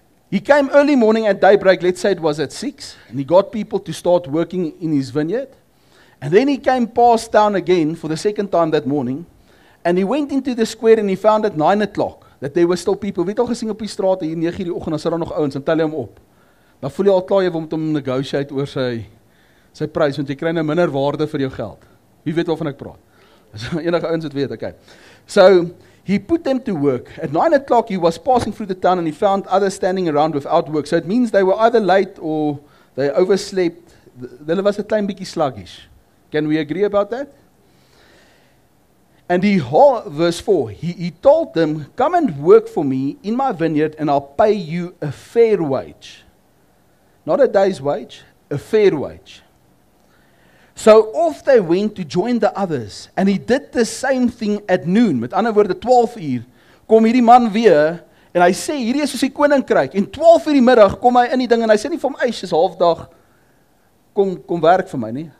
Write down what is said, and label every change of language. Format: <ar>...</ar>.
<en>He came early morning at daybreak, let's say it was at 6, and he got people to start working in his vineyard. And then he came past town again for the second time that morning, and he went into the square and he found at 9 o'clock that there were still people.</en> <af>Weet al gesien op die straat hier 9:00 die oggend, dan sit daar nog ouens en tel hy hom op. Dan voel jy al klaar jy wil met hom negotiate oor sy prys, want jy kry nou minder waarde vir jou geld. Wie weet waarvan ek praat? As enige ouens wat weet, okay.</af> <en>So he put them to work. At 9 o'clock he was passing through the town and he found others standing around without work. So it means they were either late or they overslept.</en> <af>Hulle was 'n klein bietjie sluggish.</af> <en>Can we agree about that? And verse 4, he told them, come and work for me in my vineyard and I'll pay you a fair wage. Not a day's wage, a fair wage. So off they went to join the others. And he did the same thing at noon.</en> <af>Met ander woorde, 12:00, kom hierdie man weer. En hy sê, hierdie is soos die koninkryk. En 12:00 die middag kom hy in die ding. En hy sê nie vir hom, eish, is halfdag, kom werk vir my nie.</af>